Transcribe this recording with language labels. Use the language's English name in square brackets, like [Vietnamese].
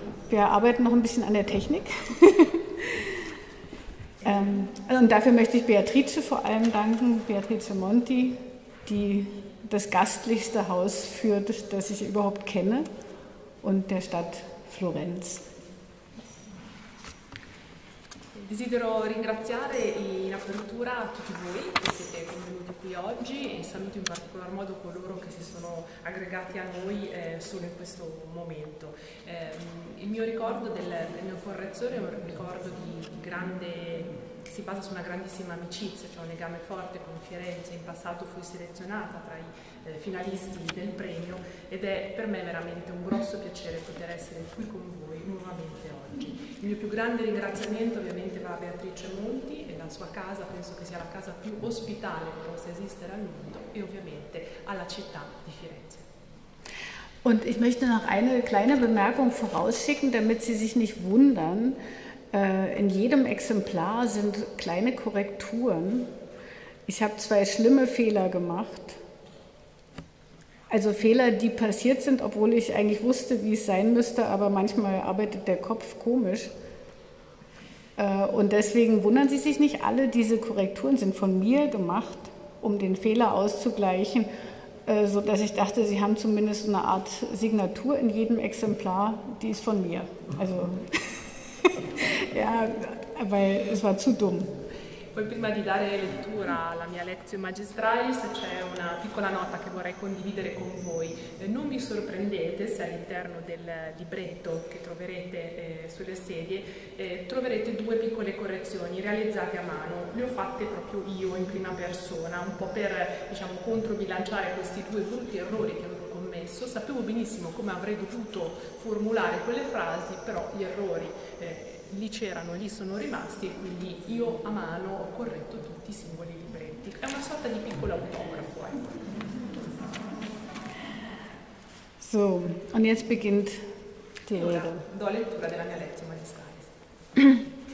[German] Wir arbeiten noch ein bisschen an der Technik. Und dafür möchte ich Beatrice vor allem danken, Beatrice Monti, die das gastlichste Haus führt, das ich überhaupt kenne, und der Stadt Florenz. [Italian] Desidero ringraziare in apertura tutti voi che siete venuti qui oggi e saluto in particolar modo coloro che si sono aggregati a noi solo in questo momento. Il mio ricordo del premio Correzzore è un ricordo si basa su una grandissima amicizia, cioè un legame forte con Firenze. In passato fui selezionata tra i finalisti del premio ed è per me veramente un grosso piacere poter essere qui con voi nuovamente oggi. Il mio più grande ringraziamento ovviamente va a Beatrice Monti e la sua casa, penso che sia la casa più ospitale che possa esistere al mondo, e ovviamente alla città di Firenze. [German] Und ich möchte noch eine kleine Bemerkung vorausschicken, damit Sie sich nicht wundern. In jedem Exemplar sind kleine Korrekturen. Ich habe zwei schlimme Fehler gemacht. Also Fehler, die passiert sind, obwohl ich eigentlich wusste, wie es sein müsste, aber manchmal arbeitet der Kopf komisch. Und deswegen wundern Sie sich nicht, alle diese Korrekturen sind von mir gemacht, um den Fehler auszugleichen, sodass ich dachte, Sie haben zumindest eine Art Signatur in jedem Exemplar, die ist von mir. Also. Ja, weil es war zu dumm. [Italian] Poi prima di dare lettura alla mia lezione magistralis c'è una piccola nota che vorrei condividere con voi. Non vi sorprendete se all'interno del libretto che troverete sulle sedie troverete due piccole correzioni realizzate a mano. Le ho fatte proprio io in prima persona, un po' per diciamo controbilanciare questi due brutti errori che avevo commesso. Sapevo benissimo come avrei dovuto formulare quelle frasi, però gli errori lì c'erano, lì sono rimasti, e quindi io a mano ho corretto tutti i singoli libretti. È una sorta di piccolo autografo. [German] So, und jetzt beginnt die Rede. [Italian] Do lettura della mia lezione magistrale.